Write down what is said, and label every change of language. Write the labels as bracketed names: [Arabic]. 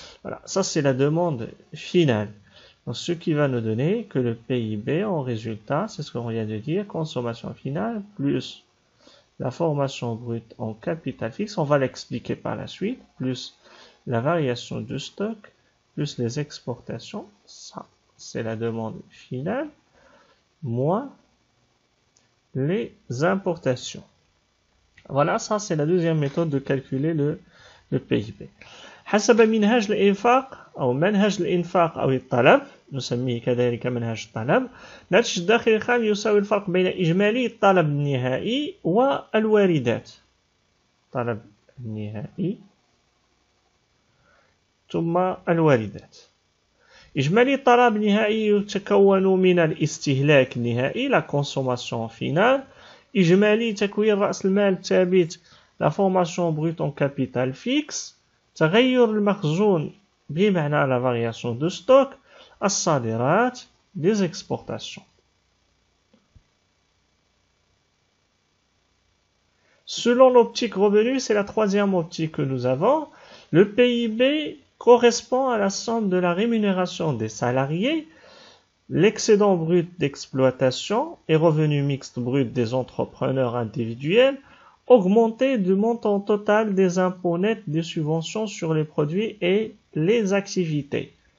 [French] Voilà, ça c'est la demande finale. Donc, ce qui va nous donner que le PIB en résultat, c'est ce qu'on vient de dire, consommation finale plus la formation brute en capital fixe, on va l'expliquer par la suite, plus la variation du stock, plus les exportations, ça c'est la demande finale, moins les importations. Voilà, ça c'est la deuxième méthode de calculer le PIB. [Arabic] حسب منهج الإنفاق أو منهج الإنفاق أو الطلب نسميه كذلك منهج الطلب، ناتج الداخلي الخام يساوي الفرق بين إجمالي الطلب النهائي والواردات، الطلب النهائي ثم الواردات. إجمالي الطلب النهائي يتكون من الاستهلاك النهائي لا كونسوماسيون فينال، إجمالي تكوين رأس المال الثابت لا فورماسيون بروت اون كابيتال فيكس، تغير المخزون بمعنى لا فارياسيون دو ستوك، الصادرات ديز اكسبورتاسيون. [French] Selon l'optique revenu, c'est la troisième optique que nous avons. Le PIB correspond à la somme de la rémunération des salariés, l'excédent brut d'exploitation et revenu mixte brut des entrepreneurs individuels, augmenté du montant total des impôts nets des subventions sur les produits et les activités.